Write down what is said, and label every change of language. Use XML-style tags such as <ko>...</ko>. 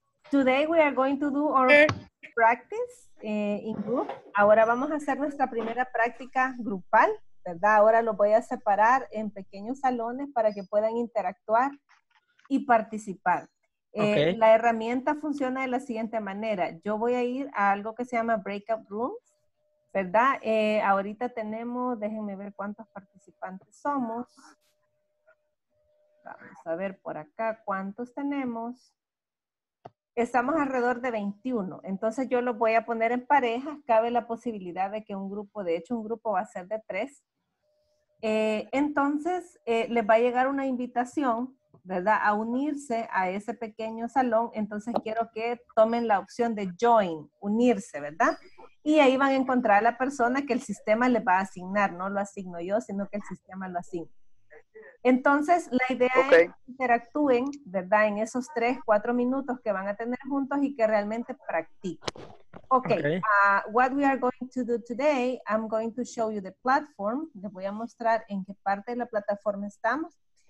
<en>Today we are going to do our practice in group.</en> <es>Ahora vamos a hacer nuestra primera práctica grupal, ¿verdad? Ahora los voy a separar en pequeños salones para que puedan interactuar y participar. Okay. La herramienta funciona de la siguiente manera. Yo voy a ir a algo que se llama breakout rooms. ¿Verdad? Ahorita tenemos, déjenme ver cuántos participantes somos. Vamos a ver por acá cuántos tenemos. Estamos alrededor de 21. Entonces yo los voy a poner en parejas. Cabe la posibilidad de que un grupo, de hecho un grupo va a ser de 3. Entonces les va a llegar una invitación, ¿verdad? A unirse a ese pequeño salón. Entonces quiero que tomen la opción de join, unirse, ¿verdad? Y ahí van a encontrar a la persona que el sistema les va a asignar. No lo asigno yo, sino que el sistema lo asigna. Entonces, la idea okay. Es que interactúen, ¿verdad? En esos 3-4 minutos que van a tener juntos y que realmente practiquen.</es> <en>Okay. What we are going to do today, I'm going to show you the platform.</en> <es>Les voy a mostrar en qué parte de la plataforma estamos.</es>